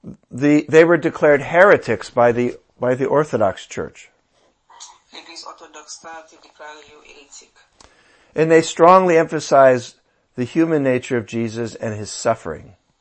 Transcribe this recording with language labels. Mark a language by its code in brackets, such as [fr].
[en] They were declared heretics by the Orthodox Church. [fr] L'Église orthodoxe a été déclarée hérétique. [en] And they strongly emphasized the human nature of Jesus and his suffering.